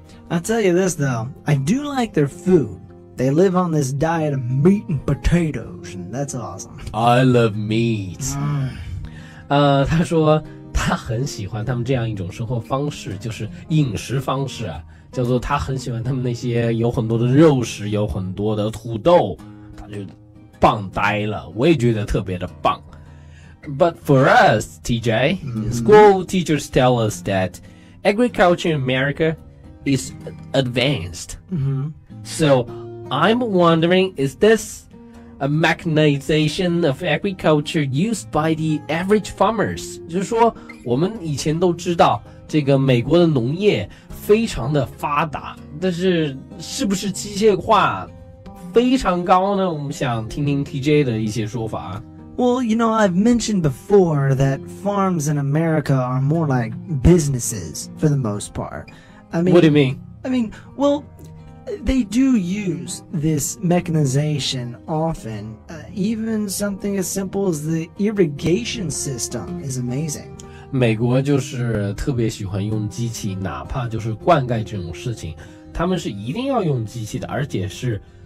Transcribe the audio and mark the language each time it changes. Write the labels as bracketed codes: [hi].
[en] I'll tell you this though, I do like their food. They live on this diet of meat and potatoes, and that's awesome. I love meat. [zh] 他说他很喜欢他们这样一种生活方式，就是饮食方式啊，叫做他很喜欢他们那些有很多的肉食，有很多的土豆，他就棒呆了。我也觉得特别的棒。 [en] But for us, TJ, school teachers tell us that agriculture in America is advanced. So I'm wondering, is this a mechanization of agriculture used by the average farmers? [zh] 就是说我们以前都知道这个美国的农业非常的发达，但是是不是机械化非常高呢？我们想听听 TJ 的一些说法。 [en] Well, you know, I've mentioned before that farms in America are more like businesses for the most part. What do you mean? Well, they do use this mechanization often. Even something as simple as the irrigation system is amazing. [zh] 美国就是特别喜欢用机器，哪怕就是灌溉这种事情，他们是一定要用机器的，而且是